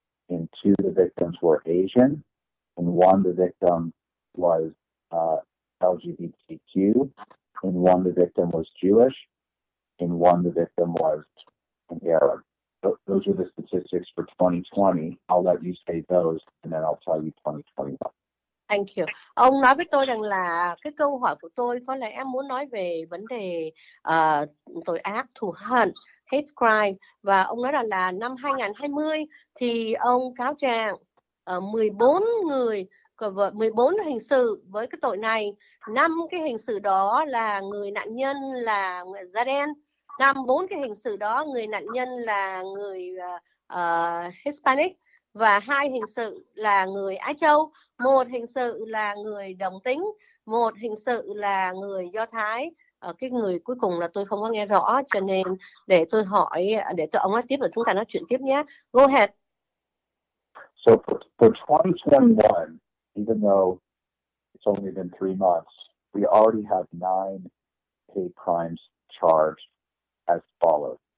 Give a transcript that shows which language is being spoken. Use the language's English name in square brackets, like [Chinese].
[English] and two of the victims were Asian, and one of the victim was LGBTQ, and one of the victim was Jewish, and one of the victim was an Arab. Those are the statistics for 2020. I'll let you say those, and then I'll tell you 2021. Thank you. [Vietnamese] Ông nói với tôi rằng là cái câu hỏi của tôi có lẽ em muốn nói về vấn đề tội ác, thù hận, hate crime. Và ông nói là năm 2020 thì ông cáo trạng 14 người, 14 hình sự với cái tội này. 5 cái hình sự đó là người nạn nhân là người da đen. 5, 4 cái hình sự đó người nạn nhân là người Hispanic. Và 2 hình sự là người Á Châu, 1 hình sự là người đồng tính, 1 hình sự là người Do Thái. Cái người cuối cùng là tôi không có nghe rõ, cho nên để tôi hỏi, để tôi ông nói tiếp rồi chúng ta nói chuyện tiếp nhé. [English] Go ahead. So for 2021, even though it's only been 3 months, we already have 9 hate crimes charged as follows.